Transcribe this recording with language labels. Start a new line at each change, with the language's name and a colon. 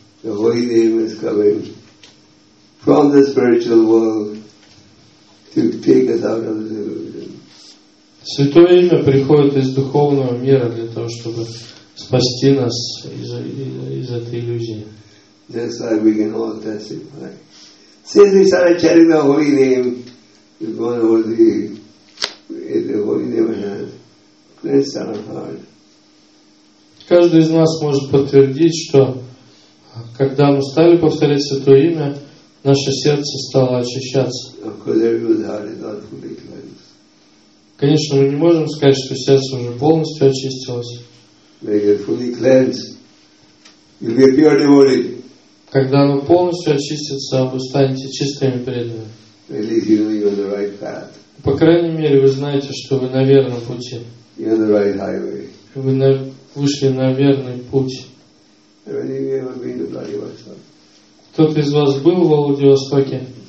English: The holy name is coming from the spiritual world to take us out of the illusion.
Russian: Святое имя приходит из духовного мира для того, чтобы спасти нас из этой иллюзии.
English: That's why we can all testify. Since we started chanting the holy name, we've gone over the holy name has cleansed our heart.
Russian: Каждый из нас может подтвердить, что когда мы стали повторять Святое имя, наше сердце стало очищаться.
English: Of course, everyone's heart is not fully cleansed.
Russian: Конечно, мы не можем сказать, что сердце уже полностью очистилось.
English: When you're fully cleansed, you'll be a pure devotee.
Russian: Когда оно полностью очистится, вы станете чистыми преданными. По крайней мере, вы знаете, что вы на верном пути. Вы вышли на верный путь. Кто-то из вас был в Владивостоке?